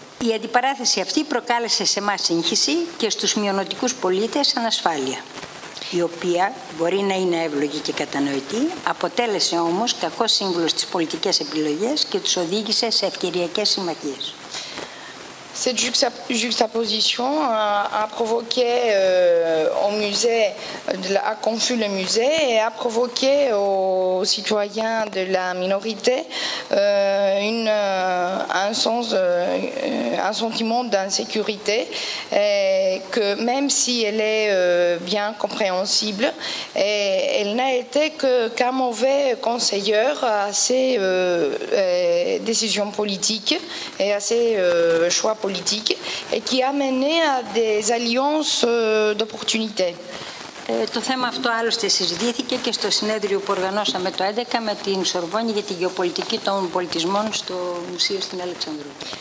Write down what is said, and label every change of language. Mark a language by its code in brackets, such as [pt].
[el] Η αντιπαράθεση αυτή προκάλεσε σε εμάς σύγχυση και στους μειονοτικούς πολίτες ανασφάλεια, η οποία μπορεί να είναι εύλογη και κατανοητή, αποτέλεσε όμως κακό σύμβουλο στις πολιτικές επιλογές και τους οδήγησε σε ευκαιριακές συμμαχίες. [fr] Cette juxtaposition a provoqué au musée, a confus le musée et a provoqué aux citoyens de la minorité un sentiment d'insécurité, et que même si elle est bien compréhensible, et elle n'a été qu'un mauvais conseilleur à ses décisions politiques et à ses choix politiques, et qui a mené à des alliances d'opportunités. [el] Το θέμα αυτό άλλωστε συζητήθηκε και στο συνέδριο που οργανώσαμε το 11 με την Σορβόνη για τη γεωπολιτική των πολιτισμών στο Μουσείο στην Αλεξανδρούπολη.